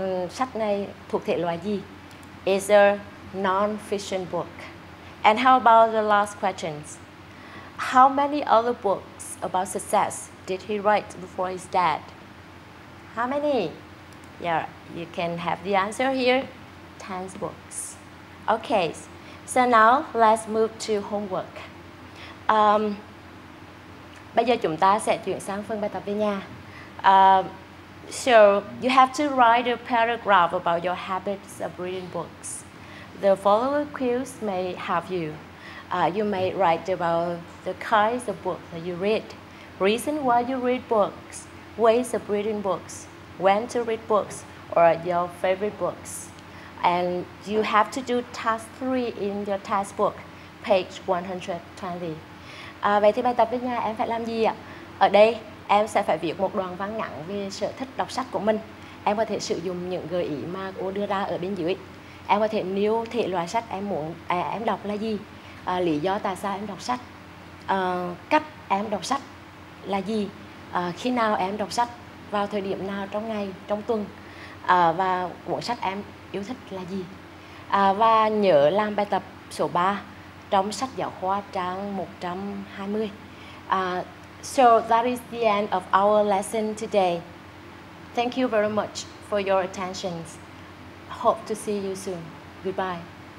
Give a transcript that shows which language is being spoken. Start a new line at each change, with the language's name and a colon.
Vietnamese: Sách này thuộc thể loại gì?
English: It's a non-fiction book. And how about the last questions? How many other books about success did he write before his death? How many? Yeah, you can have the answer here. 10 books. Okay, so now let's move to homework.
Vietnamese: Bây giờ chúng ta sẽ chuyển sang phần bài tập đi nha.
English: So you have to write a paragraph about your habits of reading books. The following quiz may help you. You may write about the kinds of books that you read, reason why you read books, ways of reading books, when to read books, or your favorite books. And you have to do task 3 in your task book, page 120.
Vietnamese: Vậy thì bài tập với nhà em phải làm gì ạ? Ở đây em sẽ phải viết một đoạn văn ngắn về sở thích đọc sách của mình. Em có thể sử dụng những gợi ý mà cô đưa ra ở bên dưới. Em có thể nêu thể loại sách em muốn em đọc là gì, lý do tại sao em đọc sách, cách em đọc sách là gì, khi nào em đọc sách, vào thời điểm nào trong ngày, trong tuần, và cuốn sách em yêu thích là gì. Và nhớ làm bài tập số 3 trong sách giáo khoa trang 120.
English: So that is the end of our lesson today. Thank you very much for your attention. Hope to see you soon. Goodbye.